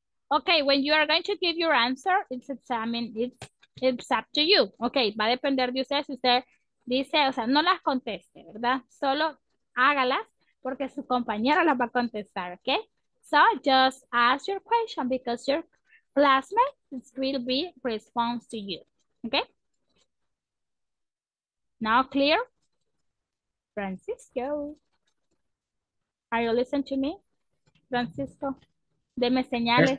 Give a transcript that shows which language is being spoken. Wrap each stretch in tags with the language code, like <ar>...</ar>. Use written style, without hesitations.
<en>Okay, when you are going to give your answer, it's examine, it's up to you.</en> <es>Okay, va a depender de usted si usted dice, o sea, no las conteste, ¿verdad? Solo hágalas porque su compañero las va a contestar, okay?</es> <en>So just ask your question because your classmate will be response to you, okay? Now clear? Francisco, are you listening to me?</en> <es>Francisco, deme señales.</es>